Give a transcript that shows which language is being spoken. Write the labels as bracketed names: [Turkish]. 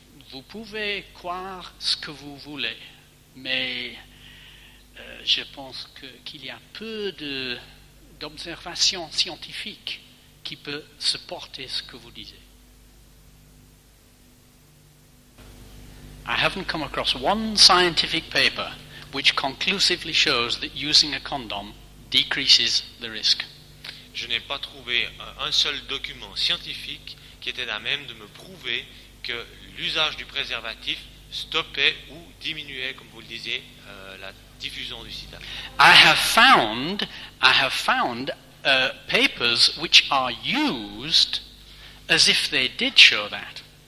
[French] vous pouvez croire ce que vous voulez, mais je pense qu'il y a peu d'observations scientifiques qui peut supporter ce que vous disiez. [English] I haven't come across one scientific paper which conclusively shows that using a condom decreases the risk. [French] Je n'ai pas trouvé un seul document scientifique qui était à même de me prouver que l'usage du préservatif stoppait ou diminuait, comme vous le disiez, la diffusion du sida. [English] I have found papers which are used as if they did show that.